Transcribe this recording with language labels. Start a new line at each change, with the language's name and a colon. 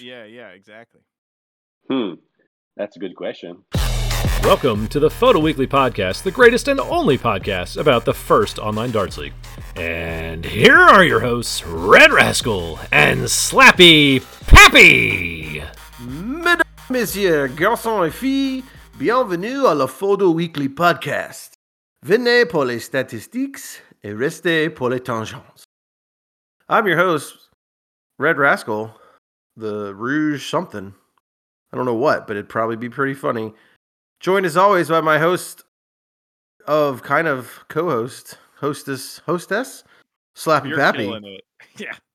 English: Yeah, yeah, exactly. That's a good question. Welcome to the FODL Weekly Podcast, the greatest and only podcast about the first online darts league. And here are your hosts, Red Rascal and Slappy Pappy.
French: Mesdames, messieurs, garçons et filles, bienvenue à la FODL Weekly Podcast. Venez pour les statistiques et restez pour les tangents.
English: I'm your host, Red Rascal, the Rouge something. I don't know what, but it'd probably be pretty funny. Joined as always by my host of kind of co-host, hostess, Slappy You're Pappy. You're killing it. Yeah.